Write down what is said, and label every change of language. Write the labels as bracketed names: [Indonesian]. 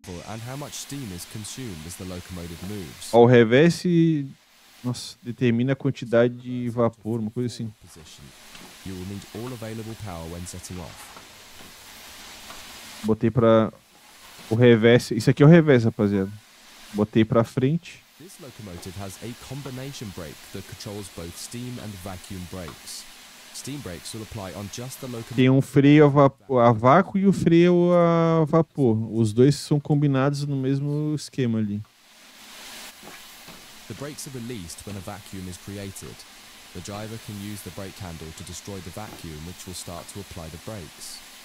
[English] And how much steam is consumed as the locomotive moves? [Portuguese] Ó, o revés, nossa, determina a quantidade de vapor, uma coisa assim. [English] You will need all available power when setting off. [Portuguese] Botei pra O reverse, isso aqui é o reverse, rapaziada. Botei pra frente. [English] This locomotive has a combination brake that controls both steam and vacuum brakes. Steam brakes will apply on just the locomotive. [Portuguese] Tem um freio a vácuo e o freio a vapor. Os dois são combinados no mesmo esquema ali. [English] The brakes are released when a vacuum is created. The driver can use the brake handle to destroy the vacuum, which will start to apply the brakes.